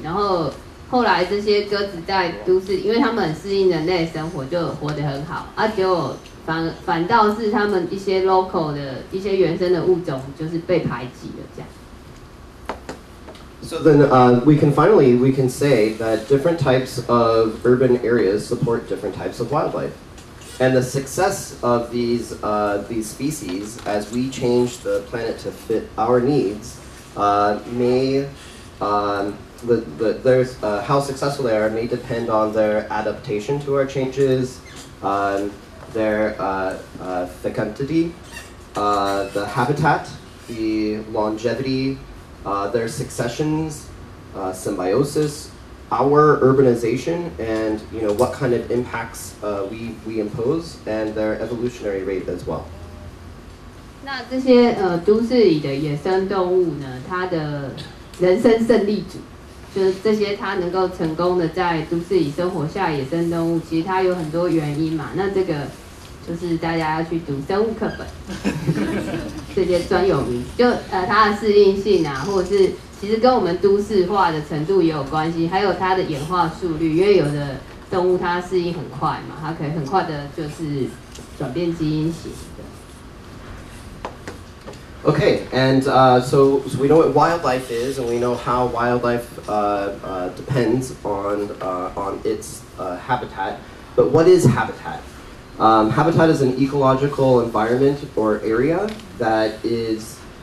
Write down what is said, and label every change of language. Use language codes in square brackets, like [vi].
[zh] 然后后来这些鸽子在都市，因为他们很适应人类生活，就活得很好。啊，结果反倒是他们一些 local 的一些原生的物种，就是被排挤了这样。 [en] So then, we can say that different types of urban areas support different types of wildlife. And the success of these species, as we change the planet to fit our needs, how successful they are may depend on their adaptation to our changes, their fecundity, the habitat, the longevity, their successions, symbiosis. Our urbanization and you know what kind of impacts we impose and their evolutionary rate as well. [zh] 那这些都市里的野生动物呢，它的人生胜利组，就是这些它能够成功的在都市里生活下野生动物，其实它有很多原因嘛。那这个就是大家要去读生物课本，这些专有名词，就它的适应性啊，或者是。其实跟我们都市化的程度也有关系，还有它的演化速率，因为有的动物它适应很快嘛，它可以很快的就是转变基因型的。 [en] Okay, and so we know what wildlife is, and we know how wildlife depends on its habitat. But what is habitat? Habitat is an ecological environment or area that is.